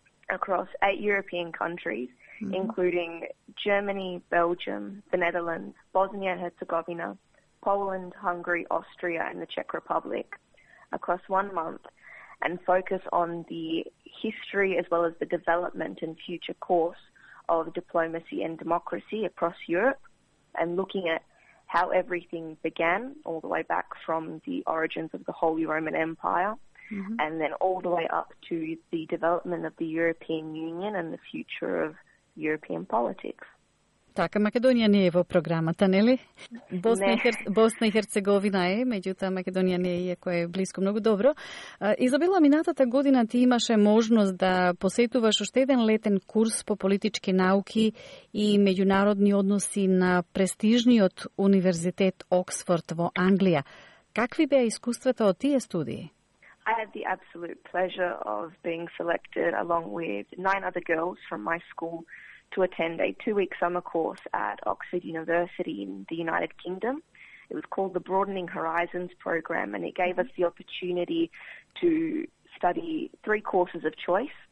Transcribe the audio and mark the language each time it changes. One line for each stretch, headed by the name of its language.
English: across eight European countries, including Germany, Belgium, the Netherlands, Bosnia and Herzegovina, Poland, Hungary, Austria and the Czech Republic, across 1 month and focus on the history as well as the development and future course of diplomacy and democracy across Europe and looking at how everything began all the way back from the origins of the Holy Roman Empire. Mm-hmm. And then all the way up to the development of the European Union and the future of European politics.
Macedonian: Така, Македонија не е во програмата, нели? Босна и Херцеговина е, меѓутоа Македонија не е, иако е блиско, многу добро. Изабела, минатата година ти имаше можност да посетуваш уште еден летен курс по политички науки и меѓународни односи на престижниот Универзитет Оксфорд во Англија. Какви беа искуствата од тие студии?
English: I had the absolute pleasure of being selected along with nine other girls from my school to attend a two-week summer course at Oxford University in the United Kingdom. It was called the Broadening Horizons Program and it gave us the opportunity to study three courses of choice.